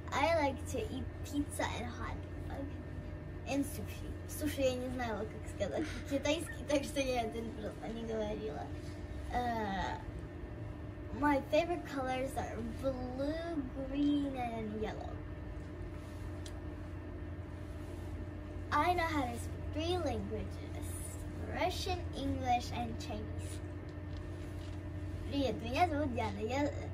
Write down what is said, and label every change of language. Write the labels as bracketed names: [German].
[English] I like to eat pizza and hot dog and sushi. [Russian] Sushi я не знала, как сказать китайский, так что я это не говорила. [English] My favorite colors are blue, green, and yellow. I know how to speak three languages: Russian, English, and Chinese. [Russian] Привет, меня зовут Диана.